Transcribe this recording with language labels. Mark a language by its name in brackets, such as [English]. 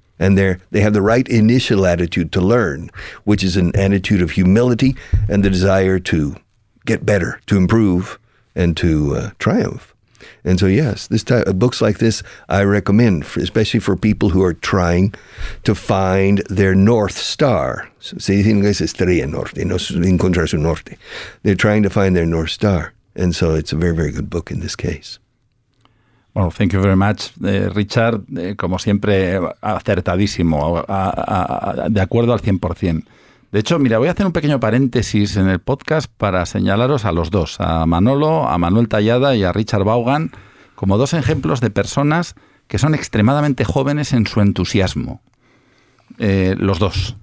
[English] And they have the right initial attitude to learn, which is an attitude of humility and the desire to get better, to improve, and to triumph. And so, yes, books like this I recommend, especially for people who are trying to find their North Star. [Spanish] Se dice en inglés estrella norte, no encontrar su norte. [English] They're trying to find their North Star. And so it's a very, very good book in this case. Well, thank you very much, Richard. [Spanish] Como siempre, acertadísimo, de acuerdo al 100%. De hecho, mira, voy a hacer un pequeño paréntesis en el podcast para señalaros a los dos, a Manolo, a Manuel Tallada y a Richard Vaughan, como dos ejemplos de personas que son extremadamente jóvenes en su entusiasmo. Los dos.